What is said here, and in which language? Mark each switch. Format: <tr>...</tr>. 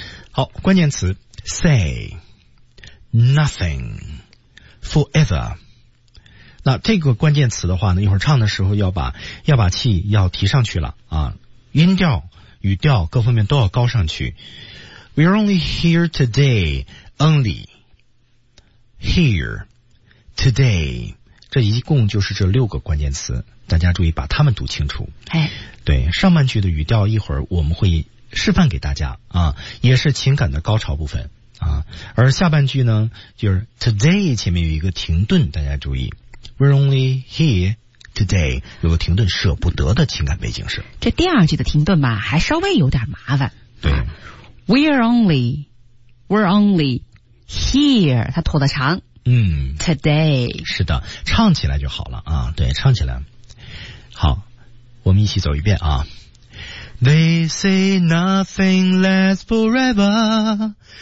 <zh>好，关键词</zh> <en>say nothing forever。</en> <zh>那这个关键词的话呢，一会儿唱的时候要把气要提上去了啊，音调语调各方面都要高上去。</zh> <en>We're only here today， only here today，</en> <zh>这一共就是这六个关键词，大家注意把它们读清楚、哎、对，上半句的语调一会儿我们会示范给大家啊，也是情感的高潮部分啊。而下半句呢，就是 today 前面有一个停顿，大家注意 ，</zh> <en>we're only here today</en> <zh>有个停顿，舍不得的情感背景是。这第二句的停顿吧，还稍微有点麻烦。对、啊、，</zh> <en>we're only here，</en> <zh>它拖得长。嗯</zh> <en>，today</en> <zh>是的，唱起来就好了啊。对，唱起来。好，我们一起走一遍啊。</zh> <en>They say nothing lasts forever.</en>